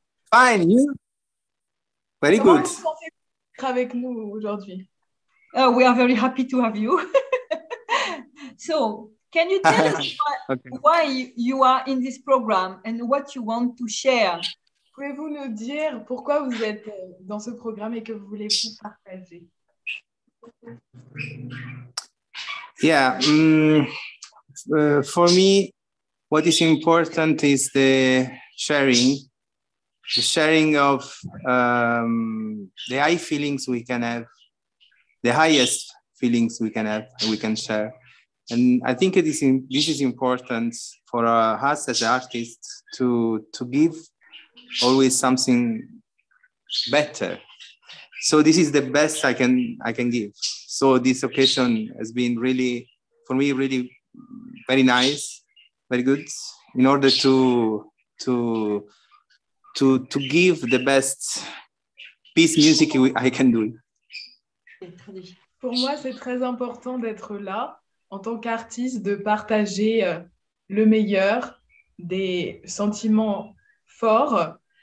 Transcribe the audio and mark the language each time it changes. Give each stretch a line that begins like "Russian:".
English: Fine, you? Very good.
French: Avec nous aujourd'hui.
English: Oh, we are very happy to have you. So, can you tell us why you are in this program and what you want to share?
French: Pouvez-vous nous dire pourquoi vous êtes dans ce programme et que vous voulez vous partager?
English: Yeah, for me, what is important is the sharing of the high feelings we can have, the highest feelings we can have, we can share. And I think this is important for us as artists to give always something better. So this is the best I can give. So this occasion has been really, for me, really very nice, very good, in order to give the best piece music I can do.
French: Pour moi, c'est très important d'être là en tant qu'artiste, de partager le meilleur, des sentiments forts.